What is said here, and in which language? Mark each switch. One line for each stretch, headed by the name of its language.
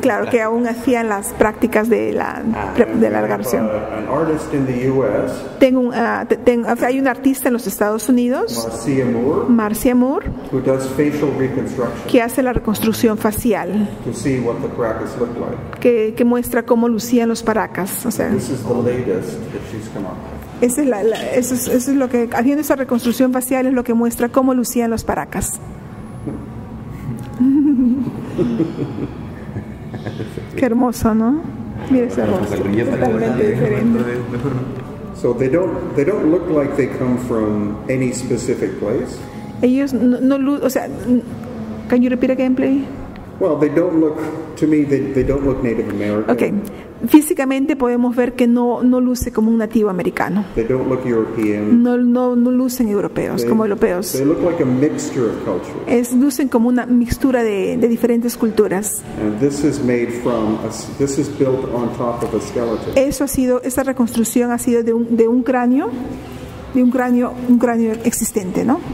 Spanish: claro, que aún hacían las prácticas de la de largación.
English: An artist in the US.
Spanish: Hay un artista en los Estados Unidos.
English: Marcia Moore. Who does facial reconstruction.
Spanish: Que hace la reconstrucción facial.
English: To see what the Paracas looked like.
Spanish: Que muestra cómo lucían los Paracas, o sea.
English: This is the latest that she's come up with.
Spanish: Eso es lo que, haciendo esa reconstrucción facial, es lo que muestra cómo lucían los Paracas. Qué hermoso, ¿no? Mira ese rostro. Totalmente diferente.
English: So they don't look like they come from any specific place.
Spanish: Ellos no, o sea,
English: can you repeat again, please? Well, they don't look, to me, they don't look Native American.
Spanish: Okay. Físicamente podemos ver que no luce como un nativo americano.
English: They don't look European.
Spanish: No lucen europeos, como europeos.
English: They look like a mixture of cultures.
Spanish: Lucen como una mixtura de diferentes culturas.
English: And this is made from this is built on top of a skeleton.
Spanish: Esa reconstrucción ha sido de un cráneo existente, ¿no?